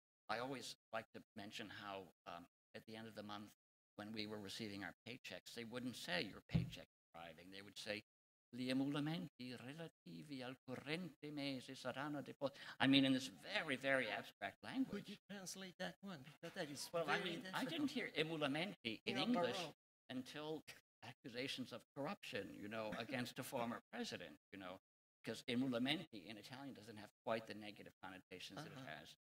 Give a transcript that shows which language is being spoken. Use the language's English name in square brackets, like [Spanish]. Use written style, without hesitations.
[English] I always like to mention how at the end of the month, when we were receiving our paychecks, they wouldn't say your paycheck arriving. [Italian] They would say, gli emolumenti relativi al corrente mese saranno deposti. [English] I mean, in this very, very abstract language. Could you translate that one? Because that is well, very I mean, I didn't hear emolumenti in English until accusations of corruption, you know, against a former president, you know, because emolumenti in Italian doesn't have quite the negative connotations that it has.